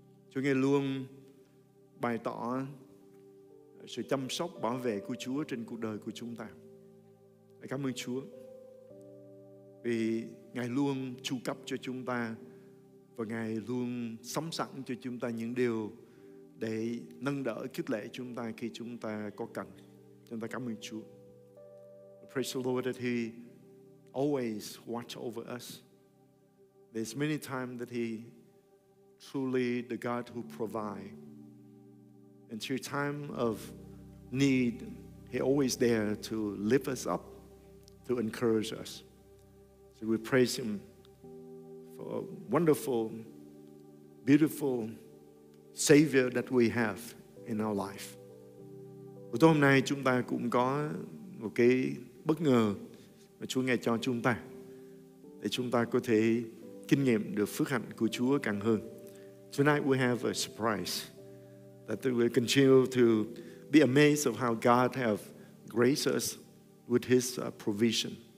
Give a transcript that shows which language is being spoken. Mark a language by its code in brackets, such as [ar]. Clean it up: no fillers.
[vi] Chúa nghe luôn bày tỏ sự chăm sóc, bảo vệ của Chúa trên cuộc đời của chúng ta. Cảm ơn Chúa vì Ngài luôn chu cấp cho chúng ta và Ngài luôn sắm sẵn cho chúng ta những điều để nâng đỡ, khích lệ chúng ta khi chúng ta có cần. Chúng ta cảm ơn Chúa. [en] Praise the Lord that He always watch over us. There's many times that He truly the God who provide. And through time of need, He always there to lift us up, to encourage us. So we praise Him for a wonderful, beautiful Savior that we have in our life. [vi] Tối hôm nay chúng ta cũng có một cái bất ngờ mà Chúa nghe cho chúng ta để chúng ta có thể kinh nghiệm được phước hạnh của Chúa càng hơn. [en] Tonight we have a surprise that we continue to be amazed of how God have graced us with His provision.